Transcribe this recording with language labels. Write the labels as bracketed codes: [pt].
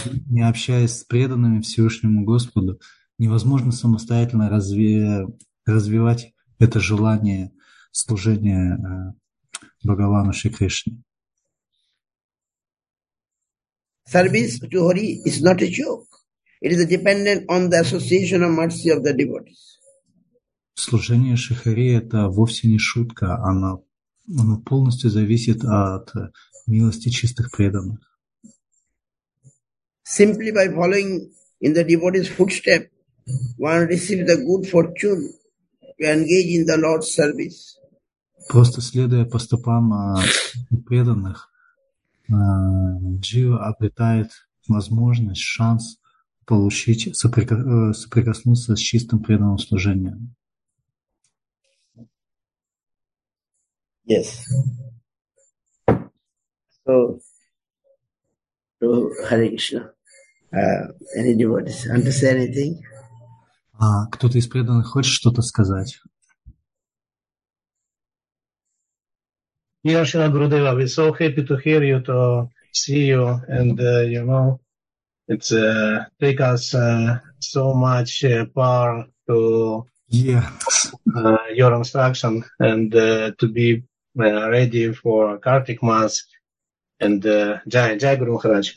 [ru] Не общаясь с преданными Всевышнему Господу, невозможно самостоятельно развивать это желание служения Бхагавану Шри Кришне. [en] Service to Hari is not a joke. It is dependent on the association of mercy of the devotees. [ru] Служение Шри Хари – это вовсе не шутка. Оно полностью зависит от милости чистых преданных. [en] Simply by following in the devotee's footsteps, one receives the good fortune to engage in the Lord's service. [ru] Просто следуя по стопам преданных, джива обретает возможность, шанс получить, соприкоснуться с чистым преданным служением. [en] Yes. So, to Hare Krishna, any devotees want to say anything? [ru] А кто-то из преданных хочет что-то сказать? Я Шрила Гурудева. [en] We're so happy to hear you, to see you, and you know, it's take us so much power to your instruction and to be ready for Kartik Mass and Jai Jai Guru Maharaj.